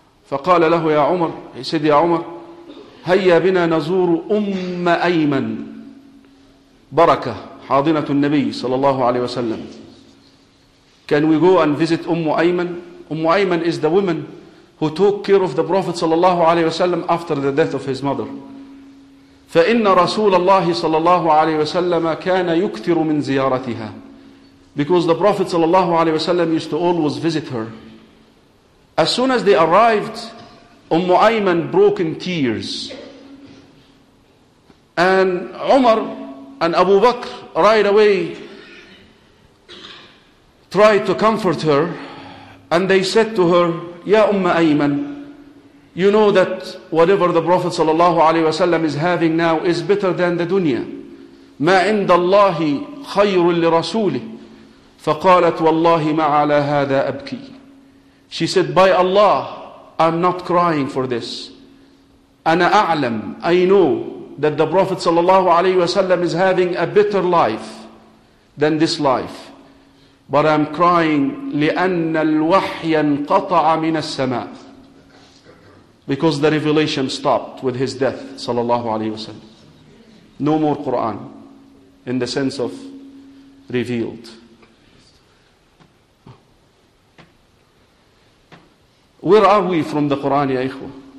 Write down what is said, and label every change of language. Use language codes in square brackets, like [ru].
[ar] فقال له يا عمر, [en] he said, [ar] يا عمر, هيا بنا نزور أم أيمن بركة حاضنة النبي صلى الله عليه وسلم. [en] Can we go and visit أم أيمن? أم أيمن is the woman who took care of the Prophet صلى الله عليه وسلم after the death of his mother. [ar] فإن رسول الله صلى الله عليه وسلم كان يكثر من زيارتها, [en] because the Prophet صلى الله عليه وسلم used to always visit her. As soon as they arrived, Umm Ayman broke in tears. And Umar and Abu Bakr right away tried to comfort her. And they said to her, Ya Umm Ayman, you know that whatever the Prophet sallallahu alaihi wasallam is having now is better than the dunya. [ar] Ma indallahi khayrun lirasulih. فقالت والله ما على هذا أبكي. [en] She said, by Allah, I'm not crying for this. [ar] أنا أعلم, [en] I know that the Prophet sallallahu alaihi wasallam is having a better life than this life. But I'm crying [ar] لأن الوحي انقطع من السماء. [en] Because the revelation stopped with his death, sallallahu alaihi wasallam. No more Quran, in the sense of revealed. Where are we from the Quran, ya ikhwa?